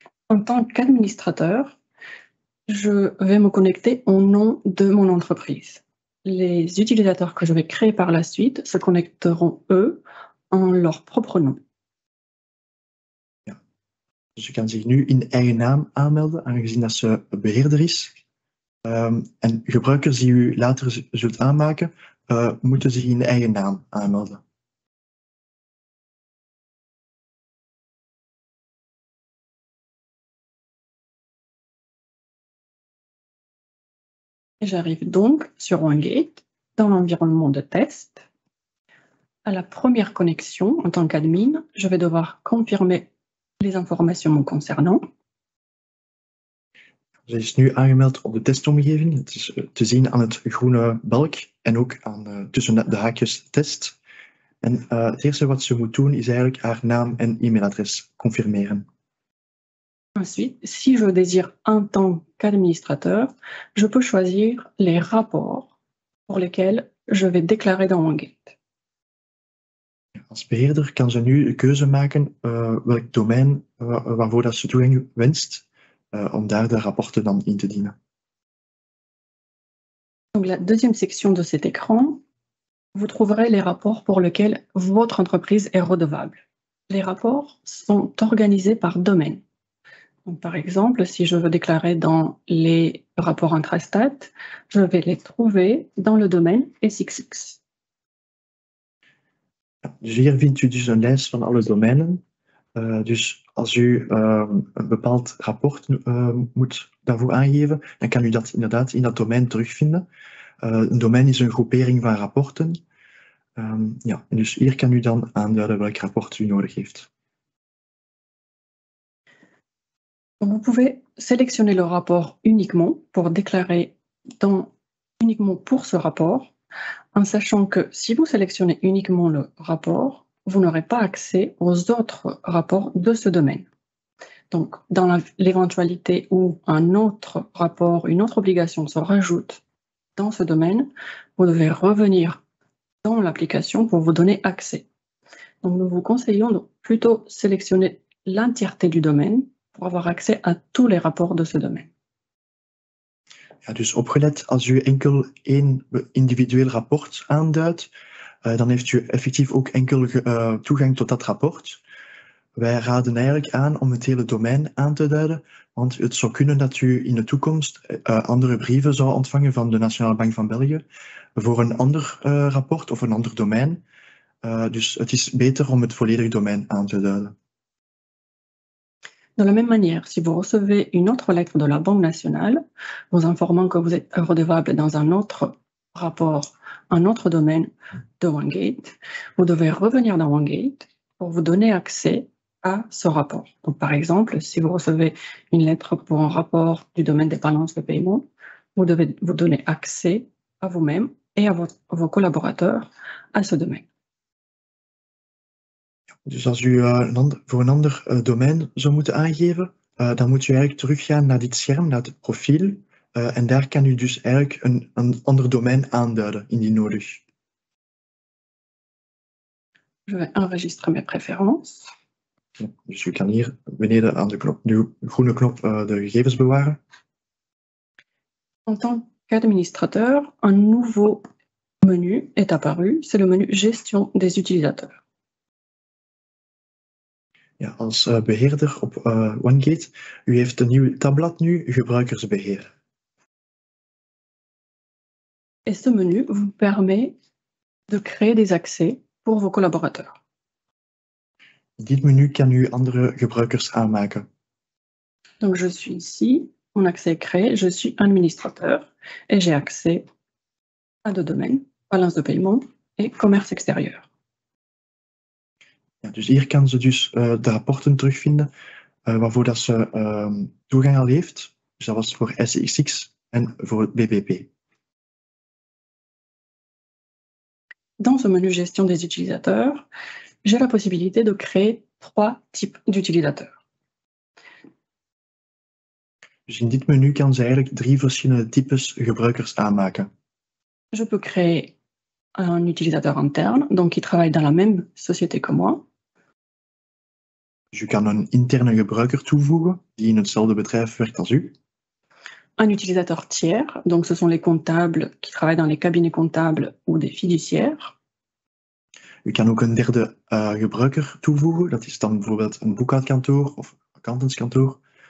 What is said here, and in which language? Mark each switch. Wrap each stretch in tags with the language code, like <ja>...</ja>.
<fr>En tant qu'administrateur, je vais me connecter au nom de mon entreprise. Les utilisateurs que je vais créer par la suite se connecteront, eux, en leur propre nom.</fr> <nl>Dus ze kan zich nu in eigen naam aanmelden, aangezien dat ze beheerder is. En gebruikers die u later zult aanmaken, moeten zich in eigen naam aanmelden.</nl> <fr>J'arrive donc sur OneGate, dans l'environnement de test. À la première connexion, en tant qu'admin, je vais devoir confirmer les informations me concernant.</fr> <nl>Ze is nu aangemeld op de testomgeving. Het is te zien aan het groene balk en ook aan tussen de haakjes test. En het eerste wat ze moet doen is eigenlijk haar naam en e-mailadres confirmeren.</nl> <fr>Ensuite, si je désire en tant qu'administrateur, je peux choisir les rapports pour lesquels je vais déclarer dans OneGate.</fr> <nl>Als beheerder kan ze nu de keuze maken welk domein waarvoor dat ze toegang wenst om daar de rapporten dan in te dienen.</nl> <fr>Donc, la deuxième section de cet écran, vous trouverez les rapports pour lesquels votre entreprise est redevable. Les rapports sont organisés par domaine. Donc, par exemple, si je veux déclarer dans les rapports intrastat, je vais les trouver dans le domaine SXX.</fr> <nl>Hier vindt u dus een lijst van alle domeinen. Dus als u een bepaald rapport moet daarvoor aangeven, dan kan u dat inderdaad in dat domein terugvinden. Een domein is een groepering van rapporten. Ja, dus hier kan u dan aanduiden welk rapport u nodig heeft.</nl> <fr>Vous pouvez sélectionner le rapport uniquement pour déclarer dans uniquement pour ce rapport, en sachant que si vous sélectionnez uniquement le rapport, vous n'aurez pas accès aux autres rapports de ce domaine. Donc, dans l'éventualité où un autre rapport, une autre obligation se rajoute dans ce domaine, vous devez revenir dans l'application pour vous donner accès. Donc, nous vous conseillons de plutôt sélectionner l'entièreté du domaine pour avoir accès à tous les rapports de ce domaine.</fr> <nl>Ja, dus opgelet, als u enkel één individueel rapport aanduidt, dan heeft u effectief ook enkel toegang tot dat rapport. Wij raden eigenlijk aan om het hele domein aan te duiden, want het zou kunnen dat u in de toekomst andere brieven zou ontvangen van de Nationale Bank van België voor een ander rapport of een ander domein. Dus het is beter om het volledige domein aan te duiden.</nl> <fr>De la même manière, si vous recevez une autre lettre de la Banque nationale vous informant que vous êtes redevable dans un autre rapport, un autre domaine de OneGate, vous devez revenir dans OneGate pour vous donner accès à ce rapport. Donc, par exemple, si vous recevez une lettre pour un rapport du domaine des balances de paiement, vous devez vous donner accès à vous-même et à vos collaborateurs à ce domaine.</fr> <nl>Dus als u voor een ander domein zou moeten aangeven, dan moet u eigenlijk teruggaan naar dit scherm, naar het profiel. En daar kan u dus eigenlijk een ander domein aanduiden, indien nodig.</nl> <fr>Je vais enregistrer mes préférences.</fr> <nl>Dus u kan hier beneden aan de knop, de groene knop, de gegevens bewaren.</nl> <fr>En tant qu'administrateur, un nouveau menu est apparu. C'est le menu gestion des utilisateurs.</fr> <nl>Ja, als beheerder op OneGate, u heeft een nieuw tabblad nu, gebruikersbeheer.</nl> <fr>Et ce menu vous permet de créer des accès pour vos collaborateurs.</fr> <nl>Dit menu kan u andere gebruikers aanmaken.</nl> <fr>Donc je suis ici, mon accès est créé, je suis administrateur et j'ai accès à deux domaines, balance de paiement et commerce extérieur.</fr> <nl>Ja, dus hier kan ze dus de rapporten terugvinden waarvoor dat ze toegang al heeft. Dus dat was voor SXX en voor BBP.</nl> <fr>Dans ce menu gestion des utilisateurs, j'ai la possibilité de créer trois types d'utilisateurs.</fr> <nl>Dus in dit menu kan ze eigenlijk drie verschillende types gebruikers aanmaken.</nl> <fr>Je peux créer un utilisateur interne, donc qui travaille dans la même société que moi.</fr> <nl>Je kan een interne gebruiker toevoegen die in hetzelfde bedrijf werkt als u.</nl> <fr>Un utilisateur tiers, donc ce sont les comptables qui travaillent dans les cabinets comptables ou des fiduciaires.</fr> <nl>U kan ook een derde gebruiker toevoegen, dat is dan bijvoorbeeld een boekhoudkantoor of accountantskantoor.</nl>